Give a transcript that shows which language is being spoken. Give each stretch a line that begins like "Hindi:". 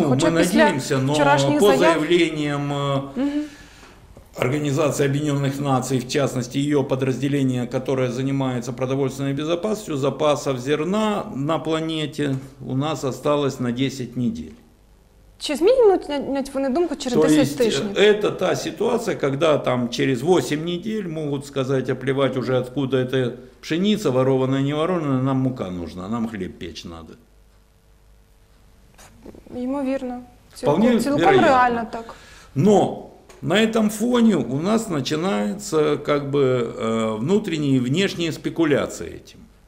Russian: Ну,
Ukrainian: хоча
Russian: мы надеемся, но по заявлениям Организации Объединенных Наций, в частности ее подразделения, которое занимается продовольственной безопасностью, запасов зерна на планете у нас осталось на 10 недель.
Ukrainian: Чи змінять вони думку через 10 тижнів?
Russian: Это та ситуация, когда там через 8 недель могут сказать, оплевать уже откуда эта пшеница, ворованная, не ворованная, нам мука нужна, нам хлеб печь надо.
Ukrainian: Ймовірно. Цілком реально так.
Russian: Но на этом фоне у нас начинаются как бы внутренние и внешние спекуляции этим.